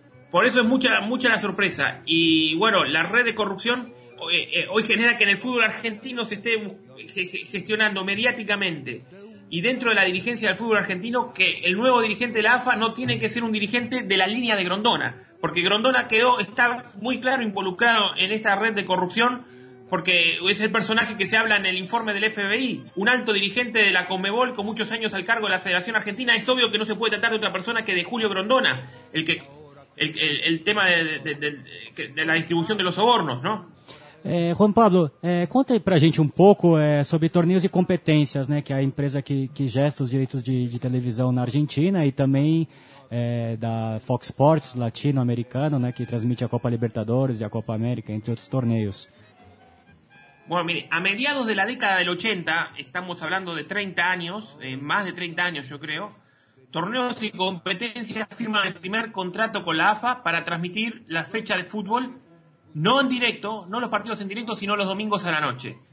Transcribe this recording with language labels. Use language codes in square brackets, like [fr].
[es] Por eso es mucha la sorpresa. Y bueno, la red de corrupción hoy genera que en el fútbol argentino se esté gestionando mediáticamente y dentro de la dirigencia del fútbol argentino que el nuevo dirigente de la AFA no tiene que ser un dirigente de la línea de Grondona, porque Grondona está muy claro involucrado en esta red de corrupción, porque es el personaje que se habla en el informe del FBI, un alto dirigente de la Conmebol con muchos años al cargo de la Federación Argentina. Es obvio que no se puede tratar de otra persona que de Julio Grondona, el tema de la distribución de los sobornos, ¿no? [pt] Juan Pablo, conta aí pra gente um pouco sobre Torneios e Competências, né, que é a empresa que gesta os direitos de televisão na Argentina e também da Fox Sports latino-americano, né, que transmite a Copa Libertadores e a Copa América, entre outros torneios. [es] Bueno, mire, a mediados de la década del 80, estamos hablando de 30 años, más de 30 años yo creo, Torneos y Competencias firma el primer contrato con la AFA para transmitir la fecha de fútbol, no en directo, no los partidos en directo, sino los domingos a la noche.